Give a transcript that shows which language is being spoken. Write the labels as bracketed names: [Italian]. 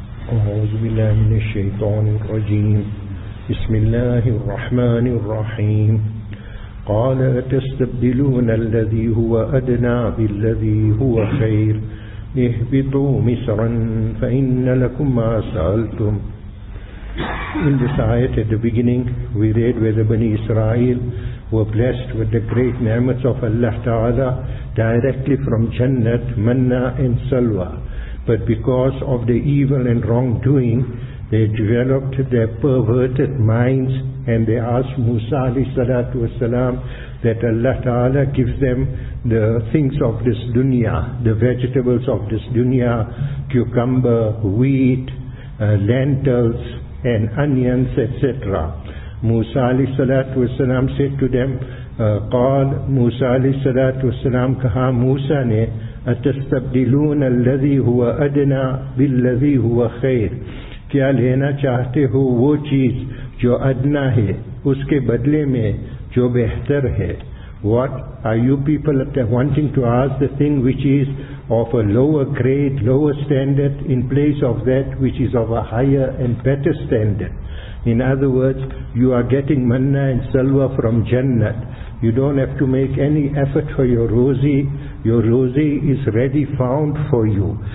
[Arabic] أعوذ بالله من الشيطان الرجيم. بسم الله الرحمن الرحيم. قال: أتستبدلون الذي هو أدنى بالذي هو خير، اهبطوا مصرا فإن لكم ما سألتم. [English] In this ayat at the beginning we read where the Bani Israel were blessed with the great ni'mat of Allah Ta'ala directly from Jannat, Manna and Salwa. But because of the evil and wrongdoing, they developed their perverted minds and they asked Musa alayhi salatu wasalam that Allah Ta'ala gives them the things of this dunya, the vegetables of this dunya, cucumber, wheat, lentils and onions, etc. Musa alayhi salatu wasalam said to them, [Arabic] قال موسى عليه الصلاة والسلام [Urdu] كها موسى نے [Arabic] أتستبدلون الذي هو أدنى بالذي هو خير، [Urdu] کیا لینا چاہتے ہو وہ چیز جو أدنى ہے اس کے بدلے میں جو بہتر ہے. [English] What are you people wanting to ask the thing which is of a lower grade, lower standard in place of that which is of a higher and better standard? In other words, you are getting manna and salwa from Jannat. You don't have to make any effort for your rosy. Your rosy is ready found for you.